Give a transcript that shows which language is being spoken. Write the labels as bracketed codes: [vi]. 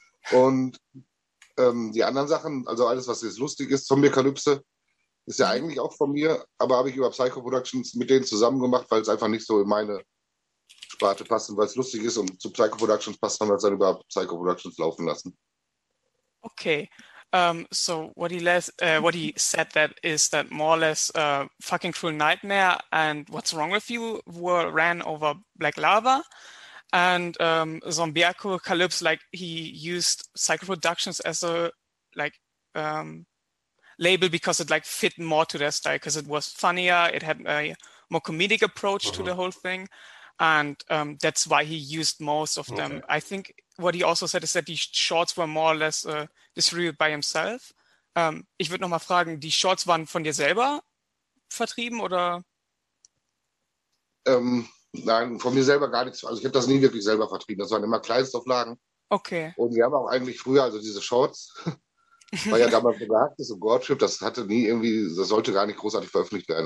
[de] Und die anderen Sachen, also alles, was jetzt lustig ist, Zombie-Kalypse, ist ja eigentlich auch von mir, aber habe ich über Psycho Productions mit denen zusammen gemacht, weil es einfach nicht so in meine Sparte passt und weil es lustig ist und zu Psycho Productions passt, haben wir es dann über Psycho Productions laufen lassen. [en] Okay, so what he said that is that more or less Fucking Cruel Nightmare and What's Wrong With You were ran over Black Lava, and Zombiacalypse, like he used Psycho Productions as a like label because it like fit more to their style, because it was funnier, it had a more comedic approach to the whole thing, and that's why he used most of them. Okay. I think what he also said is that the shorts were more or less distributed by himself. [de] Ich würde noch mal fragen, die Shorts waren von dir selber vertrieben oder? Nein, von mir selber gar nichts. Also ich habe das nie wirklich selber vertrieben. Das waren immer Kleinstauflagen. Okay. Und wir haben auch eigentlich früher, also diese Shorts, war ja damals so gehackt, so Gore-Trip, das hatte nie irgendwie, das sollte gar nicht großartig veröffentlicht werden.